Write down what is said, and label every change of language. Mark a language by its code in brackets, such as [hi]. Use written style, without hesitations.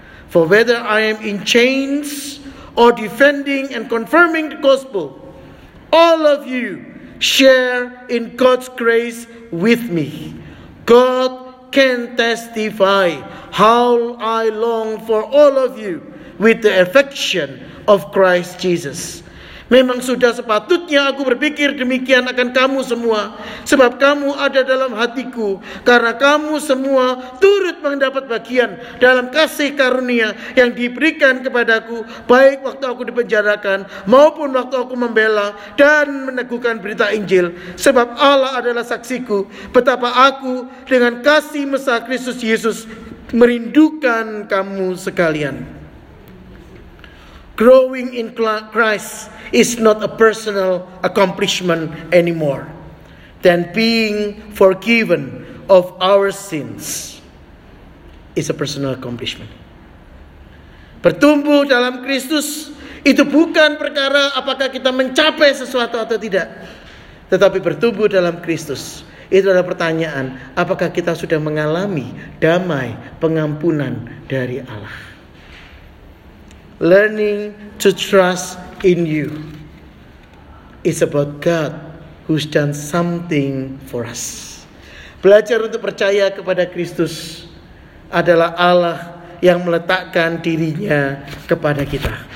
[en] For whether I am in chains or defending and confirming the gospel, all of you share in God's grace with me. God can testify how I long for all of you with the affection of Christ Jesus. [id] Memang sudah sepatutnya aku berpikir demikian akan kamu semua, sebab kamu ada dalam hatiku, karena kamu semua turut mendapat bagian dalam kasih karunia yang diberikan kepadaku, baik waktu aku dipenjarakan maupun waktu aku membela dan meneguhkan berita Injil. Sebab Allah adalah saksiku betapa aku dengan kasih mesra Kristus Yesus merindukan kamu sekalian. [en] Growing in Christ is not a personal accomplishment anymore than being forgiven of our sins is a personal accomplishment. [id] Bertumbuh dalam Kristus itu bukan perkara apakah kita mencapai sesuatu atau tidak. Tetapi bertumbuh dalam Kristus itu adalah pertanyaan apakah kita sudah mengalami damai, pengampunan dari Allah. [en] Learning to trust in you is about God who's done something for us. [id] Belajar untuk percaya kepada Kristus adalah Allah yang meletakkan dirinya kepada kita.